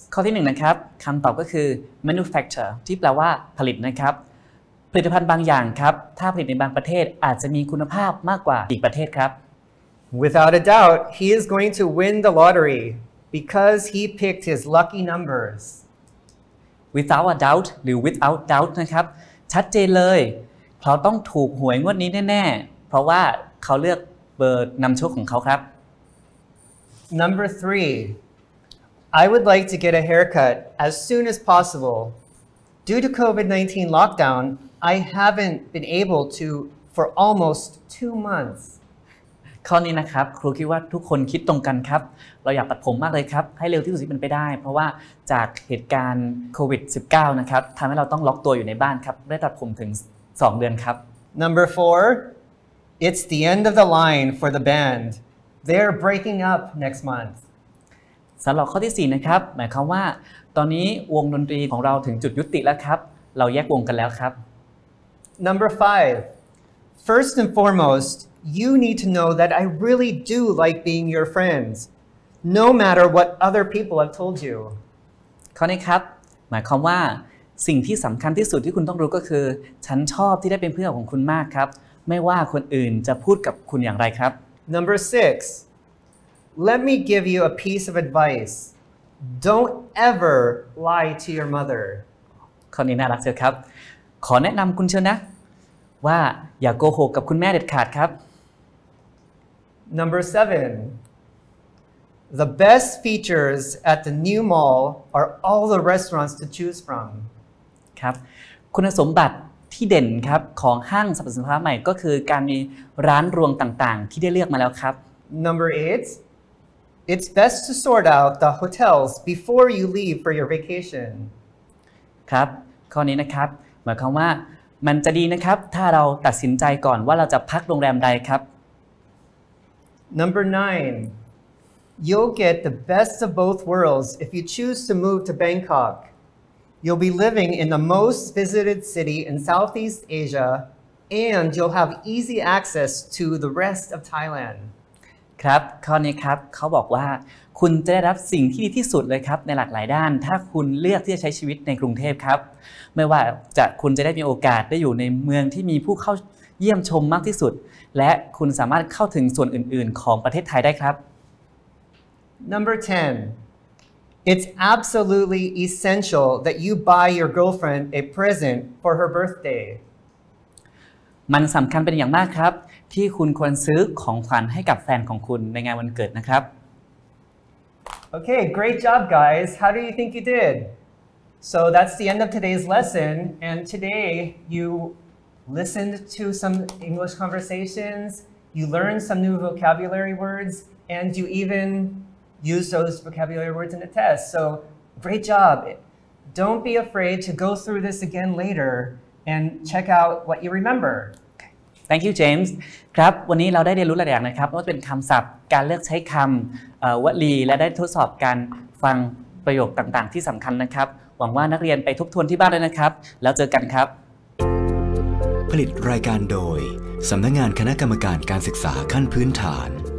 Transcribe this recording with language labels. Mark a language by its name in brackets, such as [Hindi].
[Thai] ข้อที่หนึ่งนะครับคำตอบก็คือ manufacture ที่แปลว่าผลิตนะครับผลิตภัณฑ์บางอย่างครับถ้าผลิตในบางประเทศอาจจะมีคุณภาพมากกว่าอีกประเทศครับ [English] Without a doubt, he is going to win the lottery because he picked his lucky numbers. Without a doubt [Thai] หรือ [English] without doubt [Thai] นะครับชัดเจนเลยเขาต้องถูกหวยงวดนี้แน่ๆเพราะว่าเขาเลือกเบอร์นำโชคของเขาครับ [English] Number 3 I would like to get a haircut as soon as possible due to COVID-19 lockdown I haven't been able to for almost 2 months [Thai] ข้อนี้นะครับครูคิดว่าทุกคนคิดตรงกันครับเราอยากตัดผมมากเลยครับให้เร็วที่สุดที่เป็นไปได้เพราะว่าจากเหตุการณ์COVID-19นะครับทำให้เราต้องล็อกตัวอยู่ในบ้านครับได้ตัดผมถึง2เดือนครับ [English] Number 4 It's the end of the line for the band They're breaking up next month [Thai] สำหรับข้อที่4นะครับหมายความว่าตอนนี้วงดนตรีของเราถึงจุดยุติแล้วครับเราแยกวงกันแล้วครับ [English] Number 5 First and foremostYou need to know that I really do like being your friends, no matter what other people have told you. [Thai] ข้อนี้ครับหมายความว่าสิ่งที่สำคัญที่สุดที่คุณต้องรู้ก็คือฉันชอบที่ได้เป็นเพื่อนของคุณมากครับไม่ว่าคนอื่นจะพูดกับคุณอย่างไรครับ [English] Number 6. Let me give you a piece of advice. Don't ever lie to your mother. [Thai] ข้อนี้น่ารักเชียวครับขอแนะนำคุณเชียวนะว่าอย่าโกหกกับคุณแม่เด็ดขาดครับ [English] Number 7 The best features at the new mall are all the restaurants to choose from [Thai] ครับคุณสมบัติที่เด่นครับของห้างสรรพสินค้าใหม่ก็คือการมีร้านรวงต่างๆที่ได้เลือกมาแล้วครับ [English] Number 8 It's best to sort out the hotels before you leave for your vacation [Thai] ครับข้อนี้นะครับหมายความว่ามันจะดีนะครับถ้าเราตัดสินใจก่อนว่าเราจะพักโรงแรมใดครับ [English] Number 9 You'll get the best of both worlds if you choose to move to Bangkok You'll be living in the most visited city in Southeast Asia and you'll have easy access to the rest of Thailand [Thai] ครับข้อนี้ครับเขาบอกว่าคุณจะได้รับสิ่งที่ดีที่สุดเลยครับในหลากหลายด้านถ้าคุณเลือกที่จะใช้ชีวิตในกรุงเทพครับไม่ว่าจะคุณจะได้มีโอกาสได้อยู่ในเมืองที่มีผู้เข้าเยี่ยมชมมากที่สุดและคุณสามารถเข้าถึงส่วนอื่นๆของประเทศไทยได้ครับ [English] Number 10 It's absolutely essential that you buy your girlfriend a present for her birthday [Thai] มันสำคัญเป็นอย่างมากครับที่คุณควรซื้อของขวัญให้กับแฟนของคุณในงานวันเกิดนะครับ [English] Okay, great job, guys. How do you think you did? So that's the end of today's lesson. And today, you listened to some English conversations, you learned some new vocabulary words, and you even used those vocabulary words in the test. So great job. Don't be afraid to go through this again later and check out what you remember. Thank you, James. [Thai] ครับวันนี้เราได้เรียนรู้หลายอย่างนะครับไม่ว่าจะเป็นคำศัพท์การเลือกใช้คำวลีและได้ทดสอบการฟังประโยคต่างๆที่สำคัญนะครับหวังว่านักเรียนไปทบทวนที่บ้านเลยนะครับแล้วเจอกันครับ ผลิตรายการโดยสำนักงานคณะกรรมการการศึกษาขั้นพื้นฐาน